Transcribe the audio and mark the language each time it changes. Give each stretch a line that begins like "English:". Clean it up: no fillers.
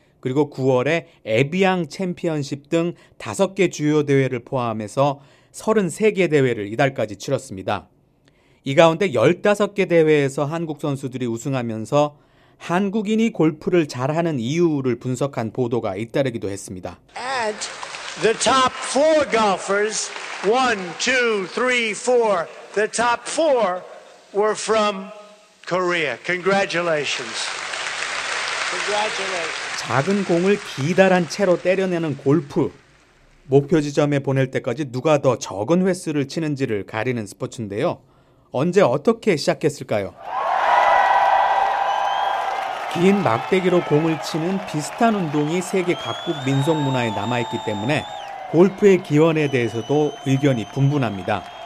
Korean: 그리고 9월에 에비앙 챔피언십 등 5개 주요 대회를 포함해서 33개 대회를 이달까지 치렀습니다. 이 가운데 15개 대회에서 한국 선수들이 우승하면서 한국인이 골프를 잘하는 이유를 분석한 보도가 잇따르기도 했습니다.
English: And the top four golfers, one, two, three, four, the top four were from Korea. Congratulations. Congratulations.
Korean: 작은 공을 기다란 채로 때려내는 골프. 목표 지점에 보낼 때까지 누가 더 적은 횟수를 치는지를 가리는 스포츠인데요. 언제 어떻게 시작했을까요? 긴 막대기로 공을 치는 비슷한 운동이 세계 각국 민속 문화에 남아있기 때문에 골프의 기원에 대해서도 의견이 분분합니다.